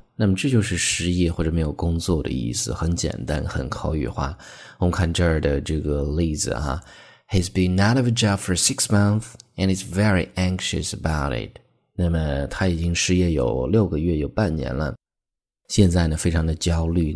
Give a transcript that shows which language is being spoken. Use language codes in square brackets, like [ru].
[zh] 那么这就是失业或者没有工作的意思，很简单，很口语化。我们看这儿的这个例子啊 [en] ，He's been out of a job for 6 months and is very anxious about it。 [zh] 那么他已经失业有6个月，有半年了，现在呢非常的焦虑。